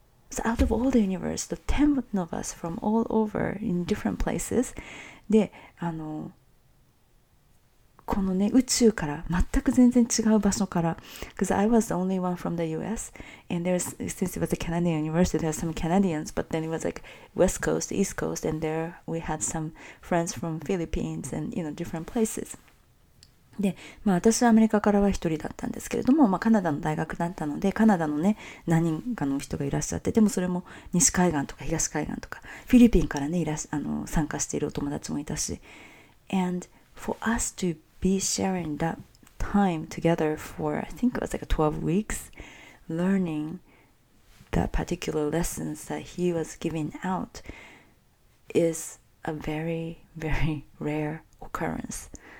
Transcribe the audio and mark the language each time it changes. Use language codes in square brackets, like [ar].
[en] so out of all the universe, the 10 of us from all over in different places, [ja] で、あの、このね、宇宙から、全く全然違う場所から。 [en] Because I was the only one from the US. And there's, since it was a Canadian university, there's some Canadians, but then it was like West Coast, East Coast, and there we had some friends from Philippines and, you know, different places. [ja] で、まあ私はアメリカからは一人だったんですけれども、まあカナダの大学だったので、カナダのね、何人かの人がいらっしゃって、でもそれも西海岸とか東海岸とか、フィリピンからね、参加しているお友達もいたし。 [en] And for us to be sharing that time together for, I think it was like 12 weeks, learning the particular lessons that he was giving out is a very, very rare occurrence.